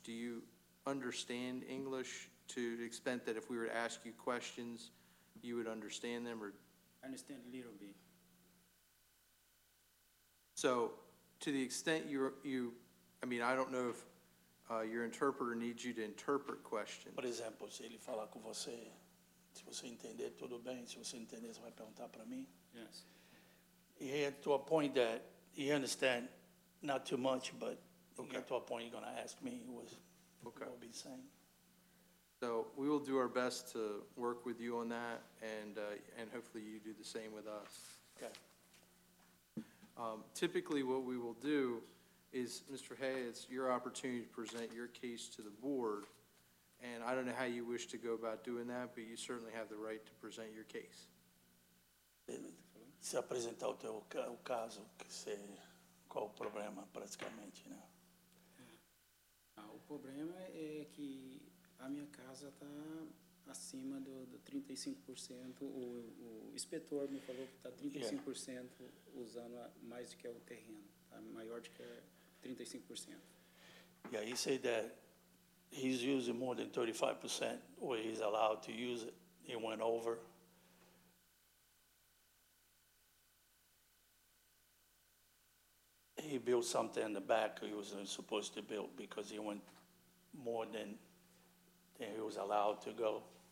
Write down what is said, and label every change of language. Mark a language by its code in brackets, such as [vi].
[en] Do you understand English to the extent that if we were to ask you questions, you would understand them? Or I understand a little bit. So to the extent I don't know if your interpreter needs you to interpret questions. [pt] Por exemplo, se ele falar com você, se você entender, tudo bem. Se você entender, você vai perguntar para mim. [en] Yes. He had to a point that he understand not too much, but okay. He had to a point you're going to ask me what I'll be saying. So we will do our best to work with you on that, and hopefully you do the same with us. Okay. Typically, what we will do is, Mr. Hay, it's your opportunity to present your case to the board, and I don't know how you wish to go about doing that, but you certainly have the right to present your case. [pt] Se apresentar o teu o caso, que se, qual o problema, praticamente, né? O problema é que a minha casa está acima do 35%. O inspetor me falou que está 35% usando mais do que o terreno, tá maior do que 35%. [en] Yeah, he said that he's using more than 35% where he's allowed to use it. He went over. He built something in the back he wasn't supposed to build because he went more than he was allowed to go.